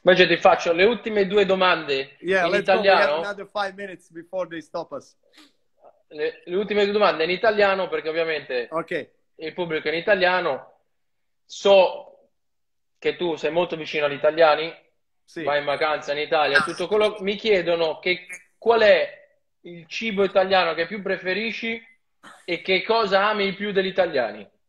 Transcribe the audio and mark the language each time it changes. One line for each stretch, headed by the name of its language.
Italian: Invece ti faccio le ultime due domande in italiano.
English: We have another 5 minutes before they stop us.
Italian: Le ultime due domande in italiano, perché ovviamente il pubblico è in italiano. So che tu sei molto vicino agli italiani, sì. Vai in vacanza in Italia. Tutto quello mi chiedono che qual è il cibo italiano che più preferisci e che cosa ami più degli italiani.